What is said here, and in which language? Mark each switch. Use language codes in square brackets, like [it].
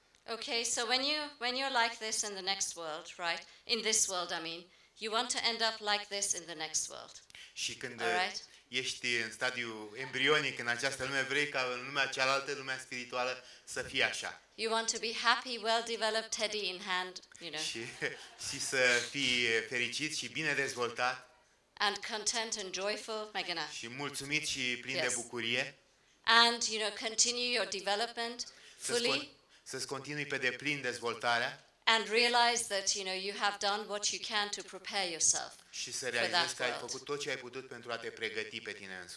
[en] Okay, so when you're like this in the next world, right? In this world, I mean, you want to end up like this in the next world. [ro] Și când ești în stadiu embrionic în această lume, vrei ca în lumea cealaltă, lumea spirituală, să fie așa. [en] You want to be happy, well-developed teddy in hand, you know. [ro] Și să fii fericit și bine dezvoltat. [en] And content and joyful, Meghna. [ro] Și mulțumit și plin de bucurie. [en] And you know, continue your development fully. [ro] Să-ți continui pe deplin dezvoltarea. [en] And realize that you know you have done what you can to prepare yourself. [ro] Și să realizezi că ai făcut tot ce ai putut pentru a te pregăti pe tine însuți.